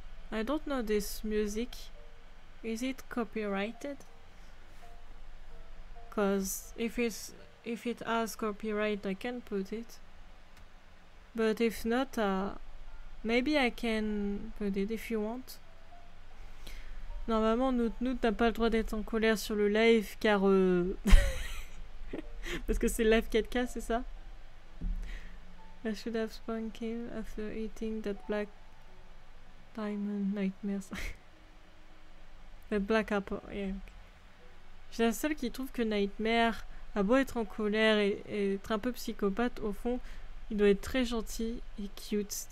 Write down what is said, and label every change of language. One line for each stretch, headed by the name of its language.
English: I don't know this music. Is it copyrighted? Cause if it has copyright, I can put it. But if not, maybe I can put it if you want.
French: Normalement, Nout n'a pas le droit d'être en colère sur le live car parce que c'est live 4K, c'est ça?
English: I should have spawned him after eating that black diamond nightmares. The black apple, yeah.
French: Je suis la seule qui trouve que Nightmare a beau être en colère et être un peu psychopathe, au fond, il doit être très gentil et cute.